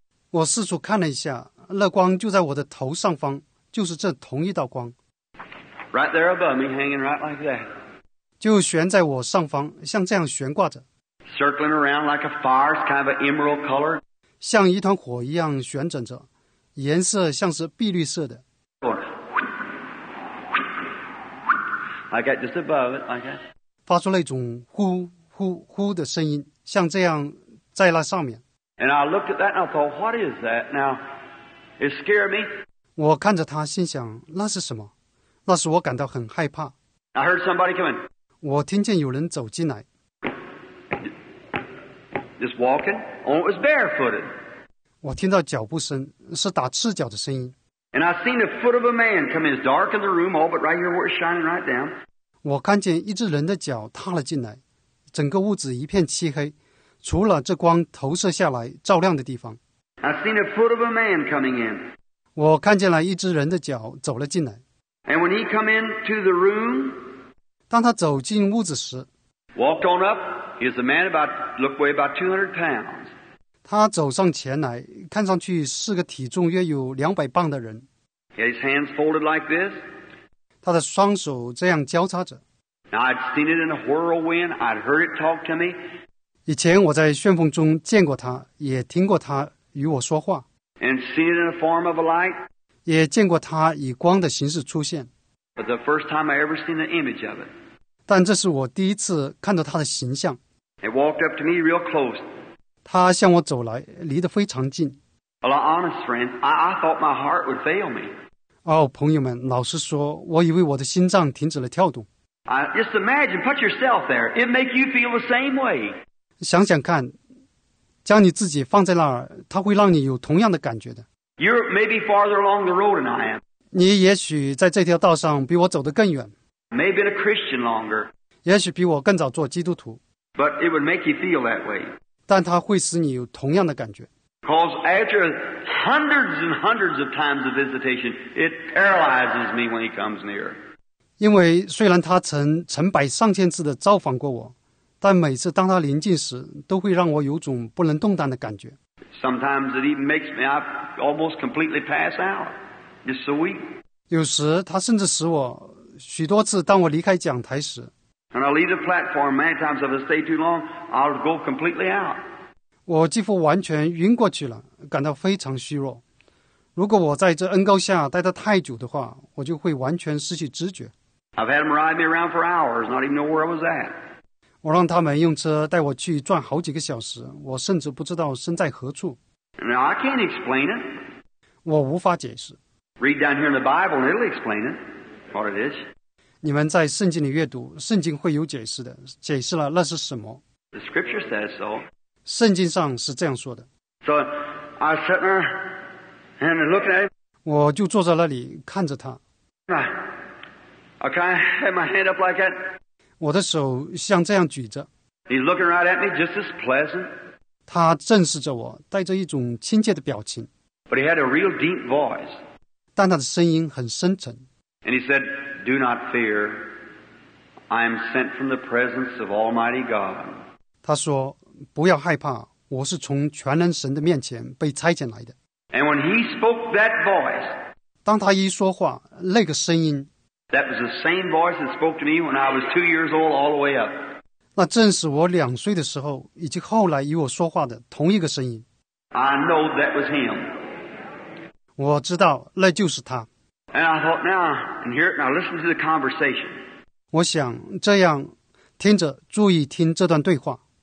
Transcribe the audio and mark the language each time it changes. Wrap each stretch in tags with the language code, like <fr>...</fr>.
<zh>我四处看了一下，那光就在我的头上方，就是这同一道光。</zh> <en>Right there above me, hanging right like that.</en> <zh>就悬在我上方，像这样悬挂着。</zh> <en>Circling around like a fire, kind of an emerald color.</en> <zh>像一团火一样旋转着，颜色像是碧绿色的。</zh> <en>I got just above it, like that.</en> <zh>发出那种呼呼呼的声音，像这样在那上面。</zh> <en>And I looked at that and I thought, what is that? Now, it scared me.</en> <zh>我看着它，心想那是什么？那时我感到很害怕。</zh> <en>I heard somebody coming.</en> <zh>我听见有人走进来。</zh> <en>Just walking. Oh, it was barefooted.</en> <zh>我听到脚步声，是打赤脚的声音。</zh> <en>And I seen the foot of a man come in, dark in the room, all but right here where it's shining right down.</en> <zh>我看见一只人的脚踏了进来，整个屋子一片漆黑，除了这光投射下来照亮的地方。</zh> <en>I seen the foot of a man coming in.</en> <zh>我看见了一只人的脚走了进来。</zh> <en>And when he come into the room,</en> <zh>当他走进屋子时</zh> <en>，walked on up. He was a man about looked weigh about 200 pounds.</en> <zh>他走上前来，看上去是个体重约有200磅的人。</zh> <en>His hands folded like this.</en> <zh>他的双手这样交叉着。</zh> <en>Now I'd seen it in a whirlwind. I'd heard it talk to me.</en> <zh>以前我在旋风中见过他，也听过他与我说话。</zh> <en>And seen it in a form of a light.</en> <zh>也见过他以光的形式出现。</zh> <en>But the first time I ever seen an image of it.</en> <zh>但这是我第一次看到他的形象。</zh> <en>It walked up to me real close.</en> <zh>他向我走来，离得非常近。</zh> <en>Well, honest friend, I thought my heart would fail me.</en> <zh>哦，朋友们，老实说，我以为我的心脏停止了跳动。</zh> <en>Just imagine, put yourself there. It make you feel the same way.</en> <zh>想想看，将你自己放在那儿，它会让你有同样的感觉的。</zh> <en>You're maybe farther along the road than I am.</en> <zh>你也许在这条道上比我走得更远。</zh> <en>Maybe been a Christian longer.</en> <zh>也许比我更早做基督徒。</zh> <en>But it would make you feel that way.</en> <zh>但它会使你有同样的感觉。</zh> <en>Because after hundreds and hundreds of times of visitation, it paralyzes me when he comes near.</en> <zh>因为虽然他成百上千次的造访过我，但每次当他临近时，都会让我有种不能动弹的感觉。</zh> <en>Sometimes it even makes me almost completely pass out. It's so weak.</en> <zh>有时他甚至使我许多次当我离开讲台时。</zh> <en>And I leave the platform many times if I stay too long, I'll go completely out.</en> <zh>我几乎完全晕过去了，感到非常虚弱。如果我在这恩膏下待得太久的话，我就会完全失去知觉。</zh> <en>I've had them ride me around for hours, not even know where I was at.</en> <zh>我让他们用车带我去转好几个小时，我甚至不知道身在何处。</zh> <en>Now, I can't explain it.</en> <zh>我无法解释。</zh> <en>Read down here in the Bible and it'll explain it, what it is.</en> <zh>你们在圣经里阅读，圣经会有解释的，解释了那是什么。</zh> <en>The scripture says so.</en> <zh>圣经上是这样说的。</zh> <en>So I sat there and looked at him.</en> <zh>我就坐在那里看着他。</zh> <en>I kind of had my hand up like that.</en> <zh>我的手像这样举着。</zh> <en>He's looking right at me, just as pleasant.</en> <zh>他正视着我，带着一种亲切的表情。</zh> <en>But he had a real deep voice.</en> <zh>但他的声音很深沉。</zh> <en>And he said,Do not fear. I am sent from the presence of Almighty God.</en> <zh>他说，不要害怕，我是从全能神的面前被差遣来的。</zh> <en>And when he spoke that voice,</en> <zh>当他一说话，那个声音，</zh> <en>that was the same voice that spoke to me when I was 2 years old all the way up.</en> <zh>那正是我两岁的时候，以及后来与我说话的同一个声音。</zh> <en>I know that was him.</en> <zh>我知道，那就是他。</zh> <en>And I thought, now, and hear it, now listen to the conversation.</en> <zh>我想这样听着，注意听这段对话。</zh>